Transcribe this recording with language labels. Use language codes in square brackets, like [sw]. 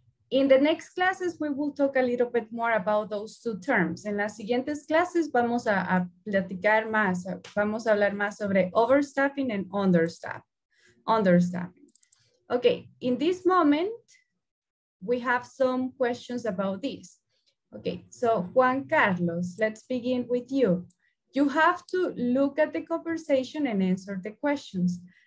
[en] In the next classes, we will talk a little bit more about those two terms. [es] En las siguientes clases, vamos a platicar más. Vamos a hablar más sobre overstaffing and understaffing. [en] Okay, in this moment, we have some questions about this. Okay, so Juan Carlos, let's begin with you. You have to look at the conversation and answer the questions.